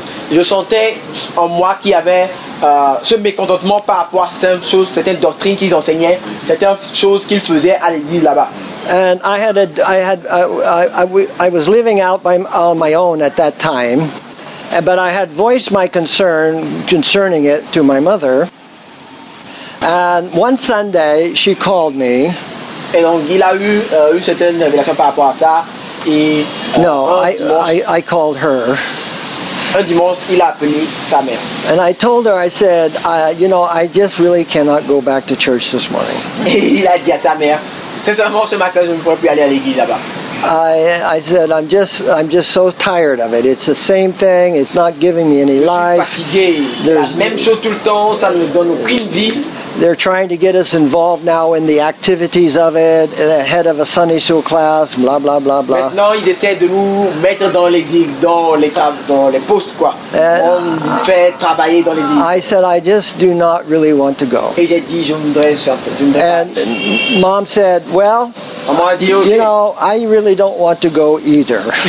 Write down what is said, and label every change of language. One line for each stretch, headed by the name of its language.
French: Je sentais en moi qu'il y avait ce mécontentement par rapport à certaines choses, certaines doctrines qu'ils enseignaient, certaines choses qu'ils faisaient à l'église là-bas.
English: And I was living out on my own at that time, but I had voiced my concern concerning it to my mother. And one Sunday she called me.
French: Et donc il a eu une certaine révélation par rapport à ça.
English: I called her.
French: Un dimanche, il a appelé sa mère.
English: And I told her, I said, I just really cannot go back to church this morning.
French: Et il a dit à sa mère, sincèrement, ce matin, je ne pourrais plus aller à l'église là-bas.
English: I said, I'm just so tired of it. It's the same thing. It's not giving me any life.
French: There's la même chose tout le temps. Ça ne donne aucune vie.
English: They're trying to get us involved now in the activities of it, ahead of a Sunday school class, blah, blah, blah, blah.
French: Maintenant, ils essaient de nous mettre dans les églises, dans les postes, quoi. On fait travailler dans les églises.
English: I said, I just do not really want to go.
French: Et j'ai dit, je voudrais sortir.
English: And mom said, well,
French: maman a dit, okay.
English: You know, I really don't want to go either.